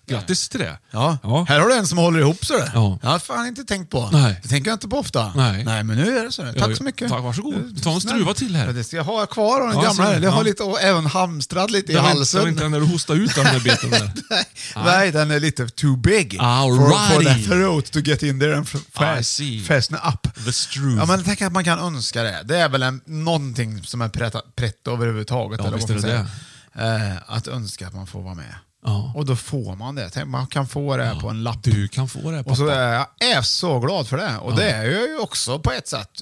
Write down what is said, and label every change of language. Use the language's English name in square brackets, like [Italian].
[Swedish] Grattis till det. Ja. Ja. Här har du en som håller ihop, så det. Ja. Jag har fan inte tänkt på. Nej. Det tänker jag inte på ofta. Nej, men nu är det så. Tack så mycket. Tack, varsågod. Ta en struva till här. Ja, det ska jag ha kvar den gamla. Ja. Jag har lite och även hamstrad lite i halsen. Inte när du hostar ut den där biten. Nej, den är lite [English] too big. All right. For the throat to get in there and fasten up. The struva. [Swedish] Ja, men tänk att man kan önska det. Det är väl någonting som är pretto överhuvudtaget. Ja, eller visst är det. Att önska att man får vara med. Ja. Och då får man det. Man kan få det på en lapp. Du kan få det, pappa. Och så är jag så glad för det. Och det är jag ju också på ett sätt.